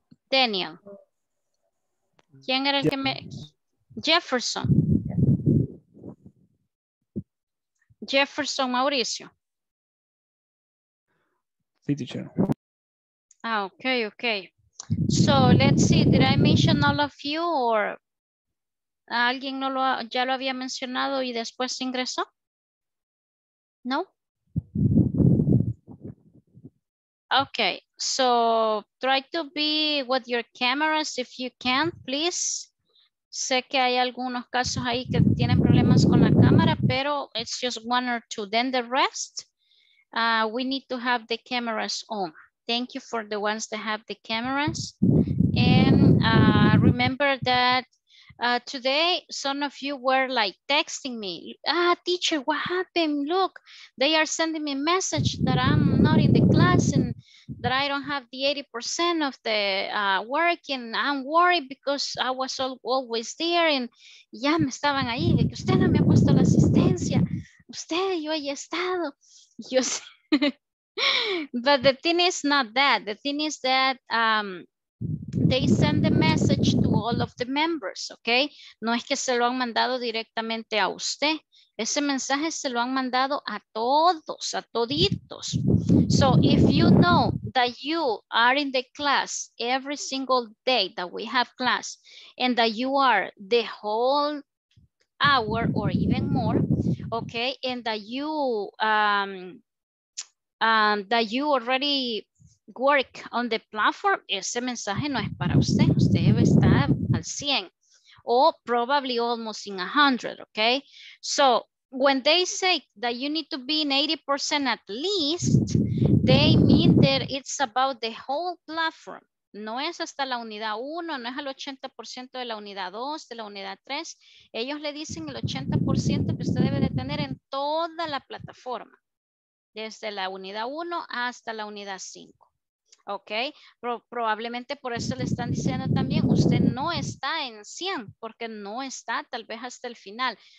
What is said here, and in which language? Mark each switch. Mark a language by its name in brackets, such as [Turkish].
[Spanish] Daniel. ¿Quién era el que me... Jefferson. Jefferson Mauricio. Sí, teacher. [English] Ah, okay, okay. So, let's see, did I mention all of you or... [Spanish] ¿Alguien no lo ha, ya lo había mencionado y después ingresó? ¿No? [English] Okay, so try to be with your cameras if you can, please. [Spanish] Sé que hay algunos casos ahí que tienen problemas con la cámara, pero [English] it's just one or two. Then the rest, we need to have the cameras on. Thank you for the ones that have the cameras. And remember that today, some of you were like texting me. Ah, teacher, what happened? Look, they are sending me a message that I'm not in the class and that I don't have the 80% of the work, and I'm worried because I was always there. [Spanish] And ya me estaban ahí. De que usted no me ha puesto la asistencia. Usted, yo he estado. Yo sé. [English] But the thing is not that. The thing is that they send the message to all of the members, okay? [Spanish] No es que se lo han mandado directamente a usted. Ese mensaje se lo han mandado a todos, a toditos. [English] So if you know that you are in the class every single day that we have class, and that you are the whole hour or even more, okay? And that you already work on the platform, [Spanish] ese mensaje no es para usted. Usted debe estar al 100 o [English] probably almost in 100, okay? So when they say that you need to be in 80% at least, they mean that it's about the whole platform. [Spanish] No es hasta la unidad 1, no es al 80% de la unidad 2, de la unidad 3. Ellos le dicen el 80% que usted debe de tener en toda la plataforma, desde la unidad 1 hasta la unidad 5. Ok, probablemente por eso le están diciendo también, usted no está en 100, porque no está tal vez hasta el final.